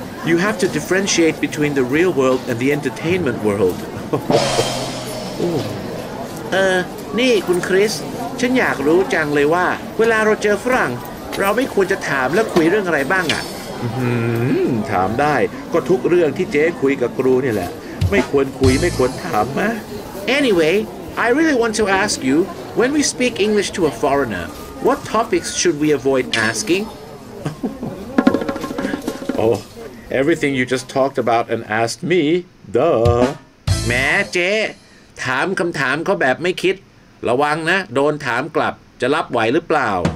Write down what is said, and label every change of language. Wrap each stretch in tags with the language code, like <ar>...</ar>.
<en>You have to differentiate between the real world and the entertainment world.</en> <th>นี่คุณคริสฉันอยากรู้จังเลยว่าเวลาเราเจอฝรั่งเราไม่ควรจะถามและคุยเรื่องอะไรบ้างอ่ะ ถามได้ก็ทุกเรื่องที่เจ๊คุยกับครูนี่แหละไม่ควรคุยไม่ควรถามมะ</th> <en>Anyway, I really want to ask you, when we speak English to a foreigner, what topics should we avoid asking? Everything you just talked about and asked me, duh.</en> <th>แม่เจ๊ถามคำถามเขาแบบไม่คิดระวังนะโดนถามกลับจะรับไหวหรือเปล่า</th>